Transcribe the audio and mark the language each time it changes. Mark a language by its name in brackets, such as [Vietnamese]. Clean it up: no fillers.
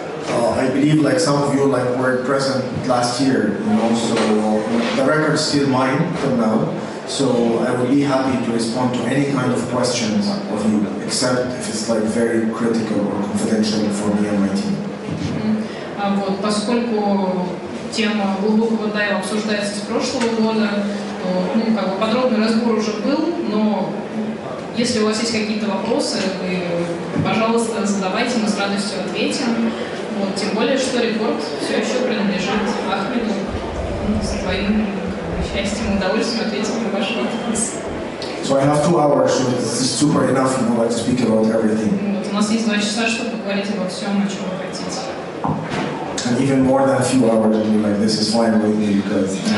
[English] I believe like some of you like were present last year, you know, so the record is still mine from now. So I would be happy to respond to any kind of questions of you, except if it's like very critical or confidential for me and my team. [Russian] Тема глубокого дайва обсуждается с прошлого года, то, ну, как бы подробный разбор уже был, но если у вас есть какие-то вопросы, вы, пожалуйста, задавайте, мы с радостью ответим. Вот, тем более, что рекорд все еще принадлежит Ахмеду. Ну, с твоим счастьем и удовольствием ответим на ваши вопросы. [English] So I have 2 hours, so it's super enough, you know, like, to speak about everything. [Russian] Вот, у нас есть 2 часа, чтобы поговорить обо всем, о чем вы хотите. [English] And even more than a few hours, I mean, like, this is fine with me, because...